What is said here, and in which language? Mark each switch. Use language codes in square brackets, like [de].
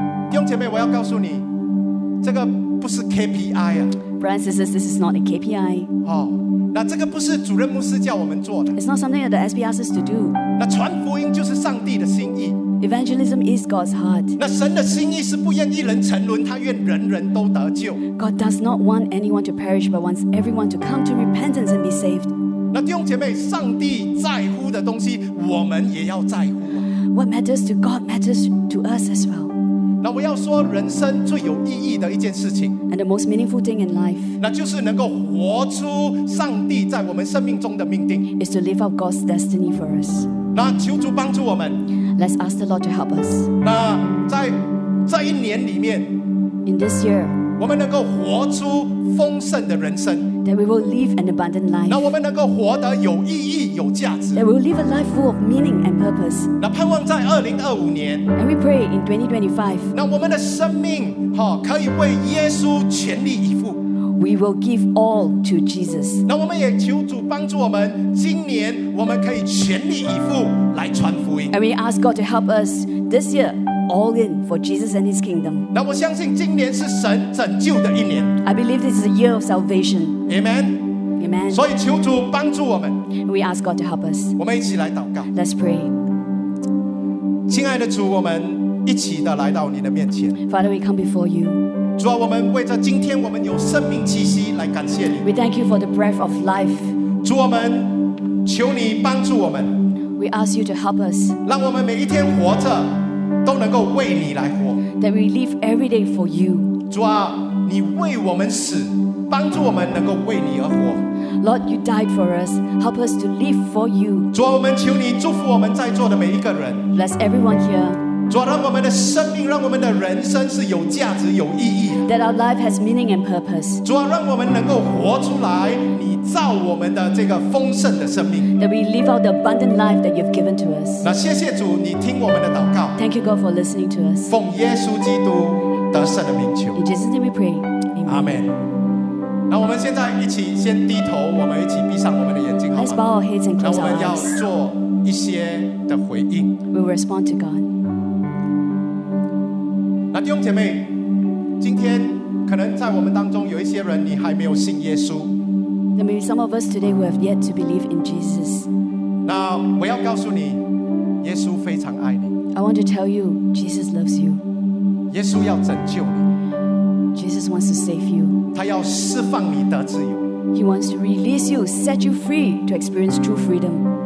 [zh] 弟兄姐妹，我要告诉你，这个不是 KPI 啊。 [en] Brothers and sisters, this is not a KPI. [zh] 那这个不是主任牧师叫我们做的。 [en] It's not something that the SB asks us to do. [zh] 那传福音就是上帝的心意。 [en] Evangelism is God's heart. [zh] 那神的心意是不愿一人沉沦，他愿人人都得救。 [en] God does not want anyone to perish, but wants everyone to come to repentance and be saved. [zh] 那弟兄姐妹，上帝在乎的东西，我们也要在乎。 [en] What matters to God matters to us as well. [zh] 那我要说人生最有意义的一件事情 [en] And the most meaningful thing in life [zh] 那就是能够活出上帝在我们生命中的命定 [en] Is to live out God's destiny for us [zh] 那求主帮助我们 [en] Let's ask the Lord to help us [zh] 那在这一年里面 [en] In this year [zh] 我们能够活出丰盛的人生 [en] That we will live an abundant life [zh] 那我们能够活得有意义有价值 [en] That we will live a life full of meaning and purpose [zh] 那盼望在2025年 [en] And we pray in 2025 [zh] 那我们的生命、哦、可以为耶稣全力以赴 [en] We will give all to Jesus [zh] 那我们也求主帮助我们今年我们可以全力以赴来传福音 [en] And we ask God to help us this yearAll in for Jesus and His kingdom. [zh] 那我相信今年是神拯救的一年。 [en] I believe this is a year of salvation. Amen. Amen. [zh] 所以求主帮助我们。 [en] We ask God to help us. [zh] 我们一起来祷告。 [en] Let's pray. [zh] 亲爱的主，我们一起的来到你的面前。 [en] Father, we come before you. [zh] 主啊，我们为着今天我们有生命气息来感谢你。 [en] We thank you for the breath of life. [zh] 主，我们求你帮助我们。 [en] We ask you to help us. [zh] 让我们每一天活着。都能够为你来活 [en] That we live every day for you [zh] 主啊你为我们死帮助我们能够为你而活 [en] Lord you died for us help us to live for you [zh] 主啊我们求你祝福我们在座的每一个人 [en] Bless everyone here [zh] 主啊让我们的生命让我们的人生是有价值有意义 [en] That our life has meaning and purpose [zh] 主啊让我们能够活出来你造我们的这个丰盛的生命 [en] That we live out the abundant life that you've given to us [zh] 那谢谢主你听我们的祷告 [en] Thank you God for listening to us [zh] 奉耶稣基督得胜的名求 [en] In Jesus' name we pray Amen. [zh] Amen 那我们现在一起先低头我们一起闭上我们的眼睛好吗 [en] Let's bow our heads and close our eyes [zh] 那我们要做一些的回应 [en] We'll respond to God [zh] 那弟兄姐妹今天可能在我们当中有一些人你还没有信耶稣 [en] There may be some of us today who have yet to believe in Jesus. [zh] 那我要告诉你，耶稣非常爱你。 [en] I want to tell you, Jesus loves you. [zh] 耶稣要拯救你。 [en] Jesus wants to save you. [zh] 他要释放你得自由。 [en] He wants to release you, set you free to experience true freedom.